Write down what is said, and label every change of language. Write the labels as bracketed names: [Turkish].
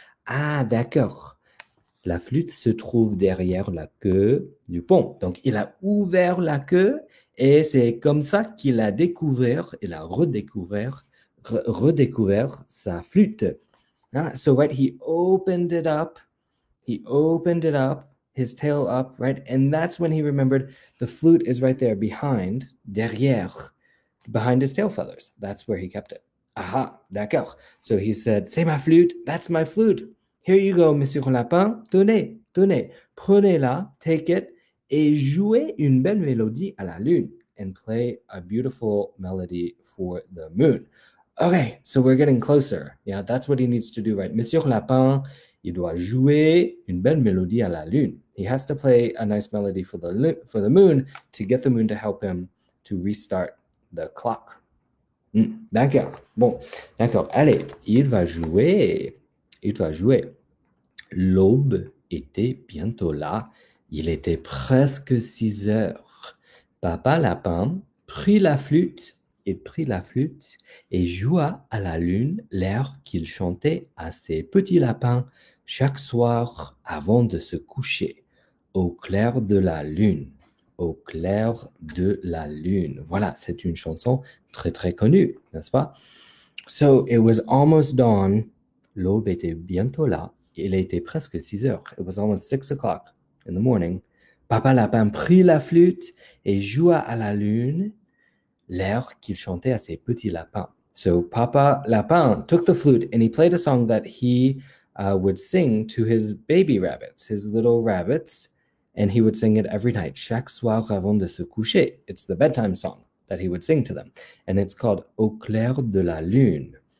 [French] Ah, d'accord. La flûte se trouve derrière la queue du pont. Donc, il a ouvert la queue et c'est comme ça qu'il a découvert, il a redécouvert, redécouvert sa flûte. [English] Ah, so, right, he opened it up. [French] He opened it up [English] his tail up, right? And that's when he remembered the flute is right there behind, derrière, behind his tail feathers. That's where he kept it. [French] Aha, d'accord. [English] So he said, [French] c'est ma flûte, [English] that's my flute. Here you go, Monsieur Lapin. [French] Tenez, prenez-la, [English] take it, [French] et jouez une belle mélodie à la lune, [English] and play a beautiful melody for the moon. Okay, so we're getting closer. Yeah, that's what he needs to do, right? [French] Monsieur Lapin, il doit jouer une belle mélodie à la lune. [English] He has to play a nice melody for the moon to get the moon to help him to restart the clock. [French] D'accord. Bon, d'accord. Allez, il va jouer. Il va jouer. L'aube était bientôt là. Il était presque 6 heures. Papa Lapin prit la flûte et joua à la lune l'air qu'il chantait à ses petits lapins chaque soir avant de se coucher. Au clair de la lune. Au clair de la lune. Voilà, c'est une chanson très très connue, n'est-ce pas? [English] So, it was almost dawn. [French] L'aube était bientôt là. Il était presque 6 heures. [English] It was almost 6 o'clock in the morning. [French] Papa Lapin prit la flûte et joua à la lune l'air qu'il chantait à ses petits lapins. [English] So, Papa Lapin took the flute and he played a song that he would sing to his baby rabbits, his little rabbits. And he would sing it every night, [French] chaque soir avant de se coucher. [English] It's the bedtime song that he would sing to them. And it's called Au clair de la lune.